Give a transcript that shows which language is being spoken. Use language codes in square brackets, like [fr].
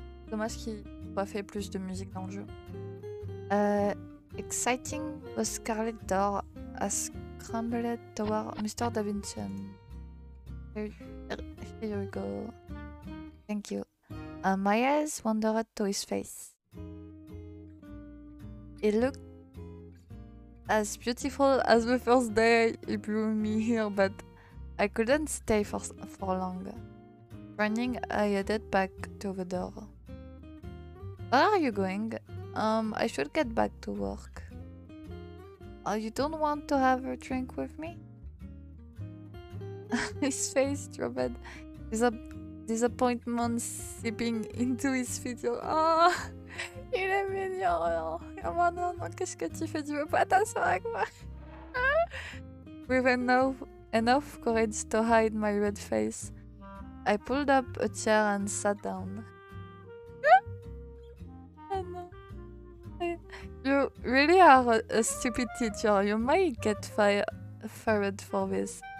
[fr] Dommage qu'il n'ait pas fait plus de musique dans le jeu. [en] Exciting, the Scarlet Door has scrambled toward Mr. Davinson. Here you go. Thank you. My eyes wandered to his face. He looked as beautiful as the first day he brought me here, but I couldn't stay for long. Running, I headed back to the door. Where are you going? I should get back to work. You don't want to have a drink with me? His face dropped, disappointment seeping into his figure. [fr] Oh, il est mignon. Oh, non, qu'est-ce que tu fais? Tu veux pas t'asseoir avec moi? [en] With enough courage to hide my red face, I pulled up a chair and sat down. You really are a stupid teacher. You might get fired for this.